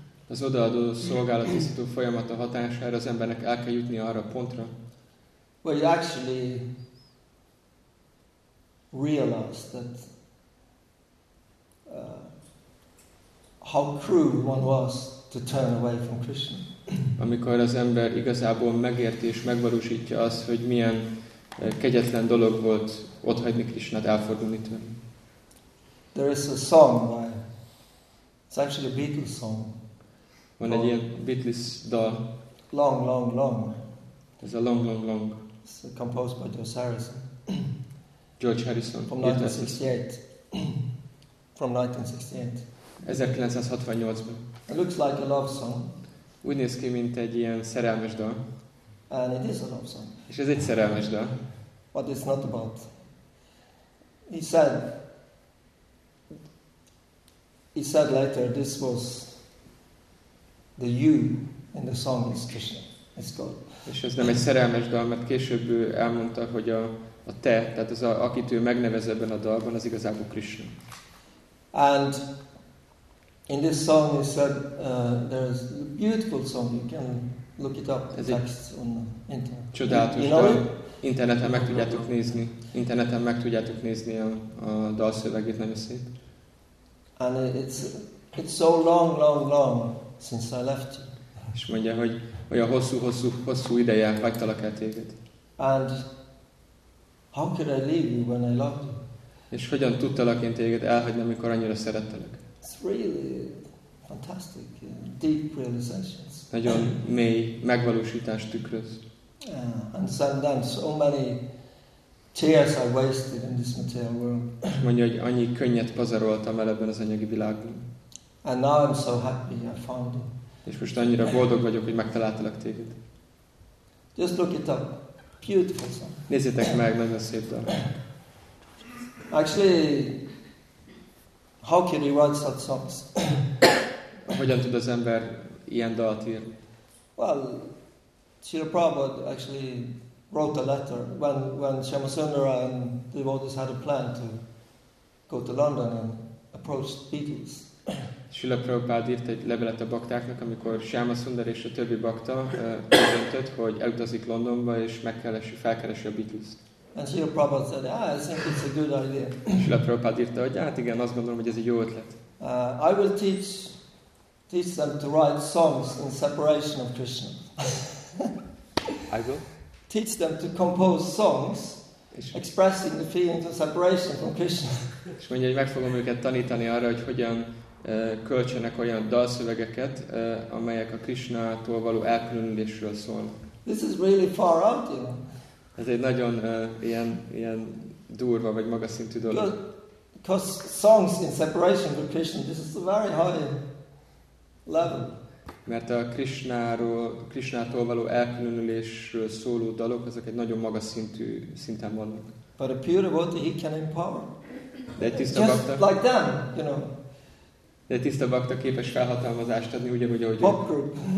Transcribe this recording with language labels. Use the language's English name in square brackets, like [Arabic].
[Hungarian] Az odaadó szolgálat tisztító folyamata hatására az embernek el kell jutni arra a pontra. [English] Where you actually realize that how cruel one was to turn away from Krishna. [Hungarian] Amikor az ember igazából megérti és megvalósítja azt, hogy milyen kegyetlen dolog volt otthagyni Krishnát, elfordulni tőle. [English] There is a song by, it's actually a Beatles song. [Hungarian] Van egy ilyen Beatles dal. [English] Long, long, long. [Hungarian] Ez a long, long, long. [English] It's composed by George Harrison. [Hungarian] George Harrison. [English] From 1968. From 1968. [Hungarian] 1968-ban. [English] It looks like a love song. [Hungarian] Úgy néz ki, mint egy ilyen szerelmes dal. [English] And it is a love song. [Hungarian] És ez egy szerelmes dal. [English] But it's not about. He said later, this was The you in the song is Krishna. It's God. [Hungarian] És ez nem egy szerelmes dal, mert később ő elmondta, hogy a te, tehát az, akit ő megnevez ebben a dalban, az igazából Krishna. [English] And in this song he said there's a beautiful song, you can look it up, the text on the internet. [Hungarian] Csodálatos dal. Interneten meg tudjátok nézni. Interneten meg tudjátok nézni a dalszövegét, nagyon szép. [English] And it's so long, long, long since I left you. [Hungarian] És mondja, hogy olyan hossz, hosszú, hosszú, hosszú ideje hagytalak el téged. [English] And how could I leave you when I loved you? [Hungarian] És hogyan tudtalak én téged elhagyni, amikor annyira szerettelek? [English] It's really fantastic, deep realizations. [Hungarian] Nagyon mély megvalósítást tükröz. [English] And sometimes so many tears I wasted in this material world. [Hungarian] Mondja, hogy annyi könnyet pazaroltam el ebben az anyagi világban. [English] And now I'm so happy I found you. [Hungarian] És most annyira boldog vagyok, hogy megtaláltalak téged. [English] Just look it up. Beautiful song. [Hungarian] Nézzétek meg, nagyon szép dal. [English] Actually, how can you write such songs? [Hungarian] Hogyan tud az ember ilyen dalt írni? [English] Well, Srila Prabhupada actually wrote a letter when Shyamasundara and the devotees had a plan to go to London and approach the Beatles. [Hungarian] Srila Prabhupada írt egy levelet a baktáknak, amikor Shyamasundara és a többi bakta döntött, hogy elutazik Londonba és felkeresi a Beatles-t. [English] And Srila Prabhupada said, I think it's a good idea. [Hungarian] Srila Prabhupada írta, hogy hát igen, azt gondolom, hogy ez egy jó ötlet. [English] I will teach them to write songs in separation of Krishna. I will teach them to compose songs expressing the feelings of separation from Krishna. [Hungarian] És mondja, hogy meg fogom őket tanítani arra, hogy hogyan költsenek olyan dalszövegeket, amelyek a Krishnától való elkülönülésről szólnak. [English] This is really far out, you know. [Hungarian] Ez egy nagyon ilyen durva vagy magas szintű dolog. [English] Because songs in separation from Krishna, this is a very high level. [Hungarian] Mert a Krishnától való elkülönülésről szóló dalok, ezek egy nagyon magas szinten vannak. [English] But a pure devotee, he can empower. [Hungarian] De egy tiszta [English] just [Hungarian] bakta, [English] like them, you know. [Hungarian] De egy tiszta bakta képes felhatalmazást adni, ugyanúgy, ahogy [English] pop group.